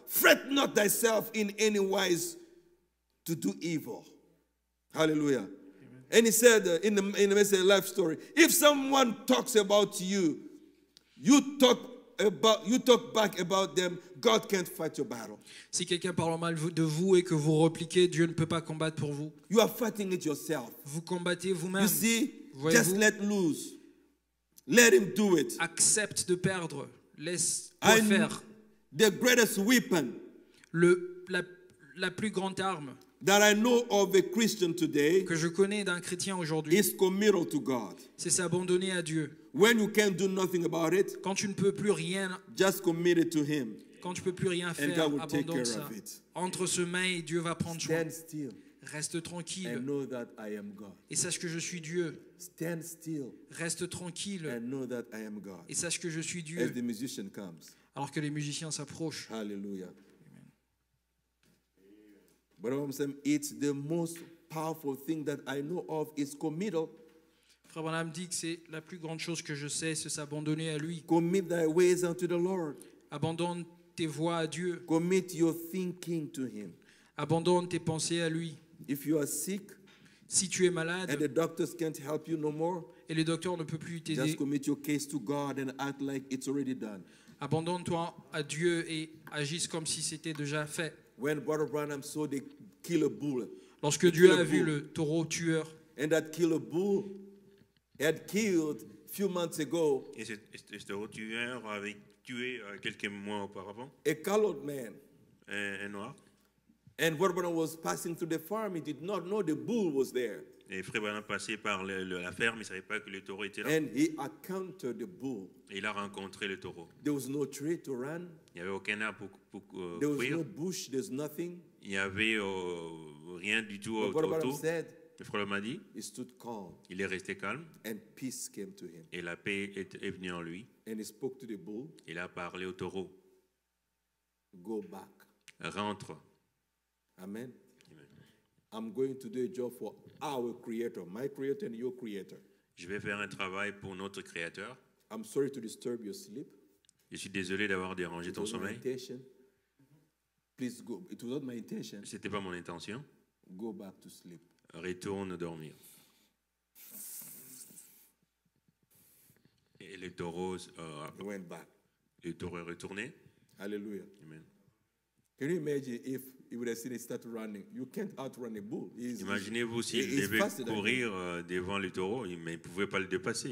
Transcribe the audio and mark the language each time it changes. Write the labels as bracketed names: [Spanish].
[English] Fret not thyself in any wise to do evil. Hallelujah. Amen. And he said in the message life story, if someone talks about you, you talk back about them, God can't fight your battle. [French] Si quelqu'un parle mal de vous et que vous répliquez, Dieu ne peut pas combattre pour vous. [English] You are fighting it yourself. [French] Vous combattez vous-même. [English] You see, just let loose. Let him do it. [French] Accepte de perdre. Laisse-toi faire. [English] The greatest weapon. [French] La plus grande arme. [English] That I know of a Christian today. [French] Que je connais d'un chrétien aujourd'hui. [English] Is committal to God. [French] C'est s'abandonner à Dieu. [English] When you can't do nothing about it. [French] Quand tu ne peux plus rien. [English] Just commit it to him. [French] Quand tu peux plus rien faire, abandonne ça. Entre ses mains et Dieu va prendre soin. [English] Stand still. [French] Reste tranquille. [English] And know that I am God. [French] Et sache que je suis Dieu. [English] Stand still. [French] Reste tranquille. [English] And know that I am God. [French] Et sache que je suis Dieu. [English] As the musician comes. [French] Alors que les musiciens s'approchent. [English] Hallelujah. But I'm saying it's the most powerful thing that I know of is committal. [French] Frère Branham dit que c'est la plus grande chose que je sais, c'est s'abandonner à lui. [English] Commit thy ways unto the Lord. [French] Abandonne tes voies à Dieu. [English] Commit your thinking to him. [French] Abandonne tes pensées à lui. [English] If you are sick, [French] si tu es malade, [English] and the doctors can't help you no more, [French] et les docteurs ne peuvent plus t'aider, [English] just commit your case to God and act like it's already done. [French] Abandonne-toi à Dieu et agisse comme si c'était déjà fait. [English] When Brother Branham saw the killer bull, [French] lorsque Dieu a vu le taureau tueur, [English] and that killer bull had killed few months ago, [French] et ce taureau tueur avait tué quelques mois auparavant, [English] a colored man, [French] un noir, [English] and Brother Branham was passing through the farm, he did not know the bull was there. [French] Et Frère Branham passait par la ferme, il savait pas que le taureau était là. [English] And he encountered the bull. [French] Et il a rencontré le taureau. [English] There was no tree to run. [French] Il n'y avait aucun arbre pour courir. [English] There was no bush, there's nothing. [French] Il n'y avait rien du tout autour. Le frère m'a dit, [English] he stood calm, [French] il est resté calme. [English] And peace came to him. [French] Et la paix est venue en lui. [English] And he spoke to the bull. [French] Il a parlé au taureau. [English] Go back. [French] Rentre. [English] Amen. Amen. I'm going to do a job for our creator, my creator and your creator. [French] Je vais faire un travail pour notre créateur. [English] I'm sorry to disturb your sleep. [French] Je suis désolé d'avoir dérangé ton sommeil. [English] Please go. It was not my intention. [French] C'était pas mon intention. [English] Go back to sleep. [French] Retourne dormir. Et le taureau [English] went back. [French] Le taureau est retourné. [English] Hallelujah. Amen. Can you imagine if he would have seen it start running? You can't outrun a bull. [French] Imaginez-vous s'il devait courir devant le taureau, mais il ne pouvait pas le dépasser.